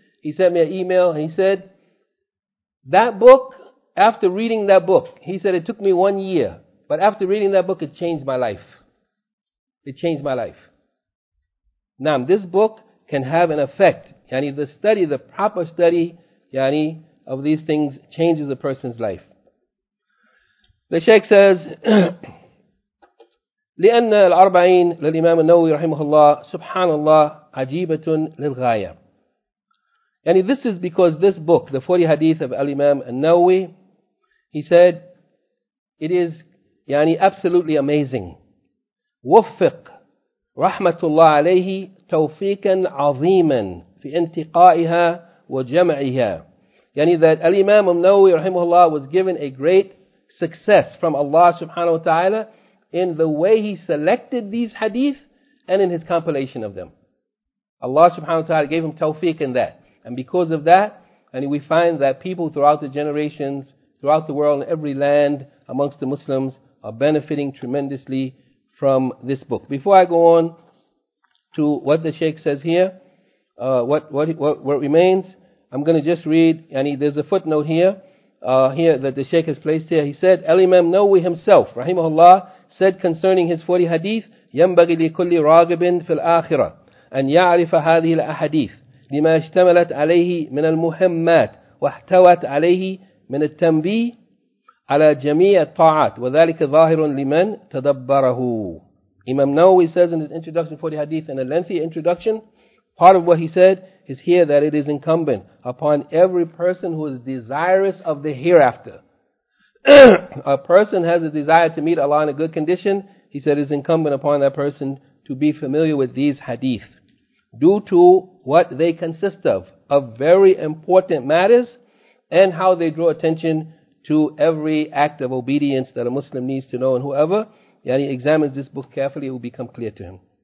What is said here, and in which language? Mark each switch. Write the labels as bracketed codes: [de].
[en] He sent me an email and he said, that book, after reading that book, he said it took me 1 year. But after reading that book, it changed my life. It changed my life. Now, this book can have an effect. Yani the study, the proper study, yani of these things changes a person's life. The Shaykh says, [ar] لأن الأربعين للإمام النووي رحمه الله سبحان الله عجيبة للغاية. [en] And this is because this book, the 40 hadith of Al-Imam An-Nawawi, he said, it is yani absolutely amazing. [ar] وفق رحمة الله عليه توفيقا عظيما في انتقائها وجمعها. [en] Yani that Al-Imam An-Nawawi rahimahullah was given a great success from Allah subhanahu wa ta'ala in the way he selected these hadith and in his compilation of them. Allah subhanahu wa ta'ala gave him tawfiq in that. And because of that, and we find that people throughout the generations, throughout the world, in every land amongst the Muslims, are benefiting tremendously from this book. Before I go on to what the Shaykh says here, what remains, I'm going to just read, and there's a footnote here that the Shaykh has placed here. He said, Al-Imam Nawawi himself, rahimahullah, said concerning his 40 hadith, [ar] يَنْبَغِ لِكُلِّ رَاغِبٍ فِي الْآخِرَةِ أَنْ يَعْرِفَ هَذِهِ الْأَحَدِيثِ لما اشتملت عليه من المهمات واحتوت عليه من التنبيه على جميع الطاعات وذلك ظاهر لمن تدبره. [en] Imam Nawawi says in his introduction for the hadith, in a lengthy introduction, part of what he said is here that it is incumbent upon every person who is desirous of the hereafter. A person has a desire to meet Allah in a good condition. He said it is incumbent upon that person to be familiar with these hadith, due to what they consist of very important matters, and how they draw attention to every act of obedience that a Muslim needs to know, and whoever yani examines this book carefully, it will become clear to him.